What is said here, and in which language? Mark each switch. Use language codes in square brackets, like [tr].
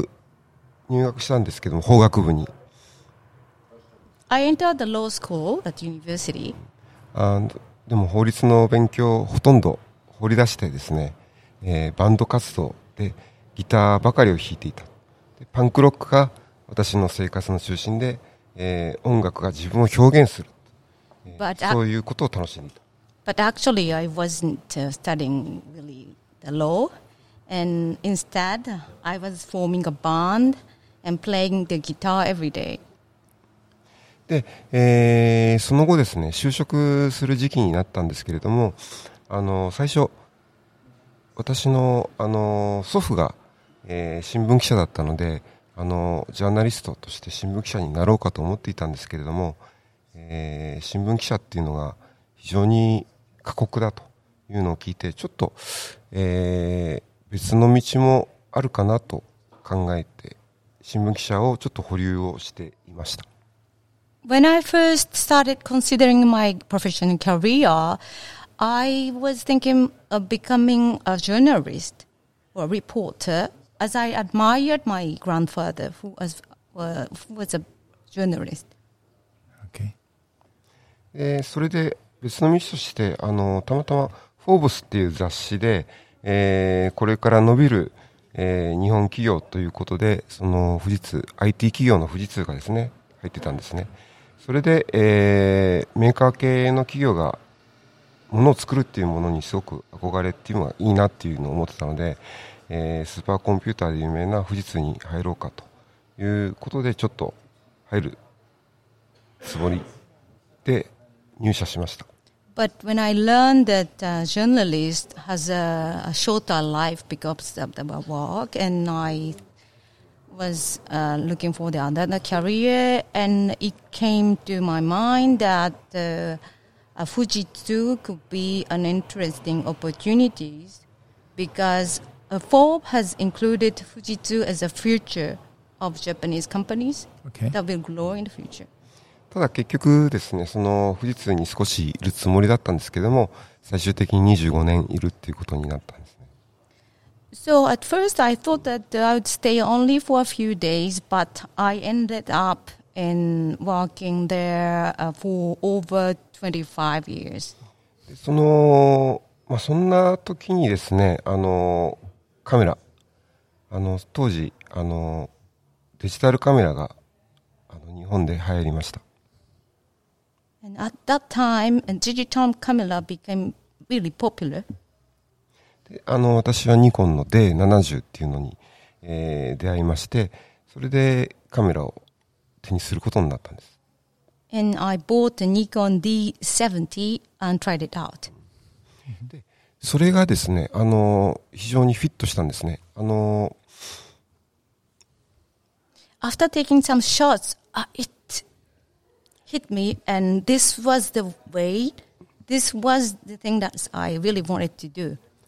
[ja] そのままずっとそれは続いていって、大学入学したんですけども、法学部に。 [en] I entered the law school at university. [ja] でも法律の勉強をほとんど放り出してですね、 バンド活動でギターばかりを弾いていた。パンクロックが私の生活の中心で、音楽が自分を表現する。そういうことを楽しんでいた。But [en] actually, I wasn't studying really the law. And instead, I was forming a band and playing the guitar every day. [ja] で、その後ですね、就職する時期になったんですけれども、最初私の祖父が、新聞記者だったのでジャーナリストとして新聞記者になろうかと思っていたんですけれども、新聞記者っていうのが非常に過酷だというのを聞いてちょっと、別の道もあるかなと考えて新聞記者をちょっと保留をしていました。 [en] When I first started considering my professional career, I was thinking of becoming a journalist or a reporter, as I admired my grandfather who was a journalist. Okay. [ja] それで別の道としてたまたまフォーブスっていう雑誌で、これから伸びる日本企業ということで、その富士通 IT 企業の富士通がですね入ってたんですね。それで、メーカー系の企業がものを作るっていうものにすごく憧れっていうのはいいなっていうのを思ってたので、スーパーコンピューターで有名な富士通に入ろうかということでちょっと入るつもりで入社しました。 [en] But when I learned that a journalist has a shorter life because of the work, and I was looking for the other career, and it came to my mind that Fujitsu could be an interesting opportunity because Forbes has included Fujitsu as a future of Japanese companies that will grow in the future. [ja] ただ結局ですね、その富士通に少しいるつもりだったんですけども、最終的に25年いるっていうことになったんですね。 [en] So at first I thought that I would stay only for a few days, but I ended up in working there for over 25 years. [ja] その、まあ、そんな時にですね、カメラ、当時デジタルカメラが日本で流行りました。 [en] And at that time, a digital camera became really popular. [ja] で、私はニコンの D70 っていうのに、出会いまして、それでカメラを手にすることになったんです。 [en] And I bought a Nikon D70 and tried it out. [ja] で、それがですね、非常にフィットしたんですね。 [en] After taking some shots, hit me, and this was the way. This was the thing that I really wanted to do.